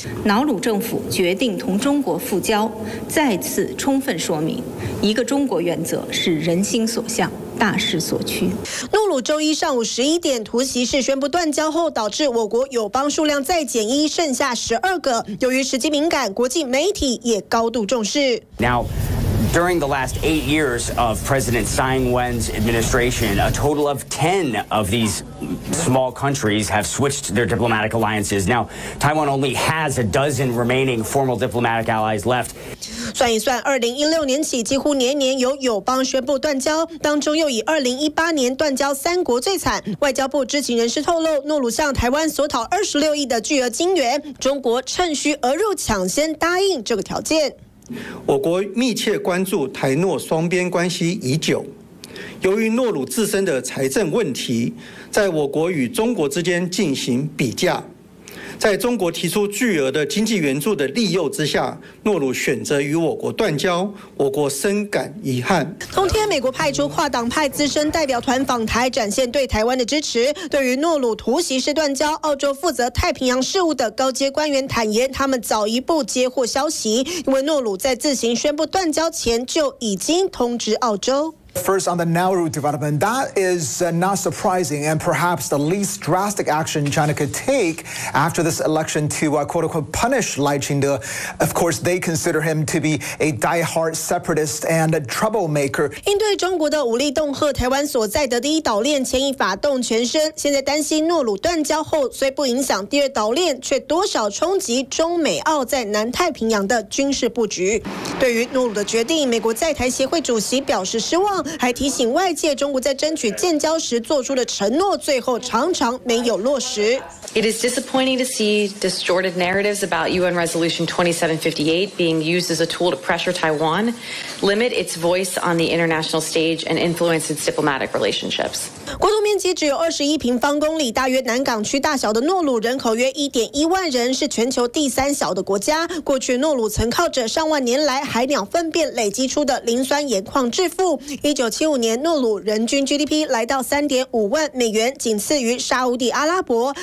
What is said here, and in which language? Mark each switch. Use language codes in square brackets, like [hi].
[zh] 瑙鲁政府决定同中国复交，再次充分说明一个中国原则是人心所向，大势所趋。瑙鲁周一上午11点突袭式宣布断交后，导致我国友邦数量再减一，剩下12个。由于时机敏感，国际媒体也高度重视。 [en] Now. During the last 8 years of President Tsai-Ing-wen's administration, a total of 10 of these small countries have switched their diplomatic alliances. Now, Taiwan only has a dozen remaining formal diplomatic allies left. [zh] 算一算，2016年起几乎年年有友邦宣布断交，当中又以2018年断交3国最惨。外交部知情人士透露，瑙鲁向台湾索讨26亿的巨额金元，中国趁虚而入，抢先答应这个条件。我国密切关注台诺双边关系已久，由于瑙鲁自身的财政问题，在我国与中国之间进行比价，在中国提出巨额的经济援助的利诱之下，瑙鲁选择与我国断交，我国深感遗憾。同天，美国派出跨党派资深代表团访台，展现对台湾的支持。对于瑙鲁突袭式断交，澳洲负责太平洋事务的高阶官员坦言，他们早一步接获消息，因为瑙鲁在自行宣布断交前就已经通知澳洲。 [en] First on the Nauru development, that is not surprising and perhaps the least drastic action China could take after this election to quote-unquote punish Lai Ching-de. Of course, they consider him to be a die-hard separatist and a troublemaker. [zh] 应对中国的武力恫吓，台湾所在的第一岛链牵一发动全身。现在担心瑙鲁断交后虽不影响第二岛链，却多少冲击中美澳在南太平洋的军事布局。对于瑙鲁的决定，美国在台协会主席表示失望，还提醒外界，中国在争取建交时做出的承诺，最后常常没有落实。 [en] It is disappointing to see distorted narratives about UN Resolution 2758 being used as a tool to pressure Taiwan, limit its voice on the international stage, and influence its diplomatic relationships. [zh] 国土面积只有21平方公里，大约南港区大小的瑙鲁人口约1.1万人，是全球第三小的国家。过去瑙鲁曾靠着上万年来海鸟粪便累积出的磷酸盐矿致富。 1975年，瑙鲁人均 GDP 来到3.5万美元，仅次于沙烏地阿拉伯。